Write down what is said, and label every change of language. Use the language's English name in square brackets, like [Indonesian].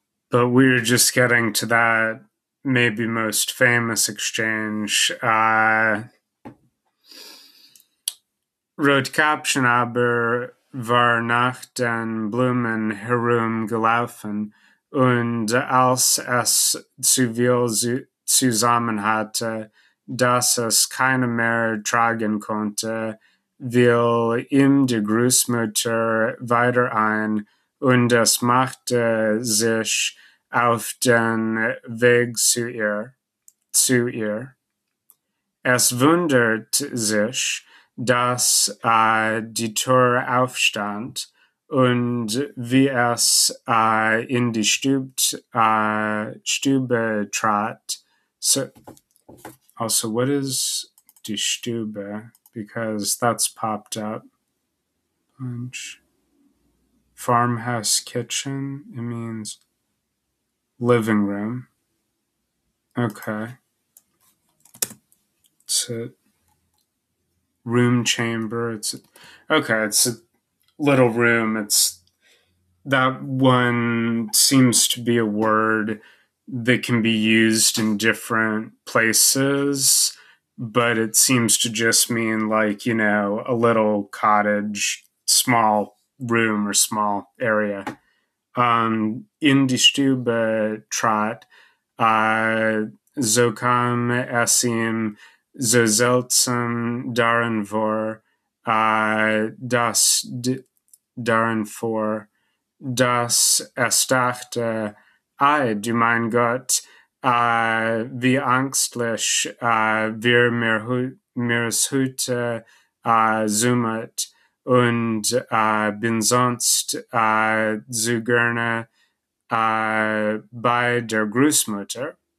[English] But we're just getting to that maybe most famous exchange. [German] Rotkäppchen aber war nach den Blumen herum gelaufen, und als es zu viel zusammen hatte, dass es keine mehr tragen konnte, will ihm die Großmutter weiter ein, und es machte sich auf den Weg zu ihr. Es wundert sich, dass die Tür aufstand und wie es in die Stube trat. [English] So, also, what is die Stube? Because that's popped up. Bunch. Farmhouse kitchen. It means living room. Okay. It's a room chamber. It's a little room. It's that one seems to be a word that can be used in different places, but it seems to just mean like, you know, a little cottage, small room or small area. [German] In die Stube trat, so kam es ihm so seltsam darin vor, dass es dachte, ei, du mein Gott, wie angstlich wir mir's heute zoomet, und bin sonst so gerne bei der Großmutter.